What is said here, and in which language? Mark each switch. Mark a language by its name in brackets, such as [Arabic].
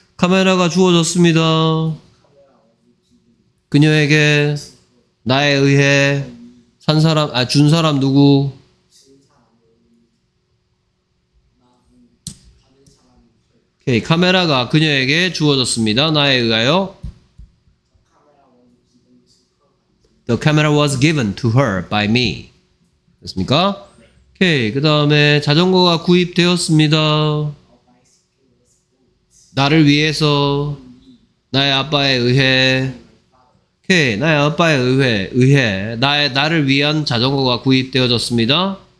[Korean] 카메라가 주어졌습니다. 그녀에게 나에 의해 산 사람, 아, 준 사람 누구? 오케이, 카메라가 그녀에게 주어졌습니다. 나에 의하여. [English] The camera was given to her by me. [Korean] 됐습니까? 오케이, 그 다음에 자전거가 구입되었습니다. 나를 위해서, 나의 아빠에 의해. 오케이, 나의 아빠에 의해 나를 위한 자전거가 구입되어졌습니다.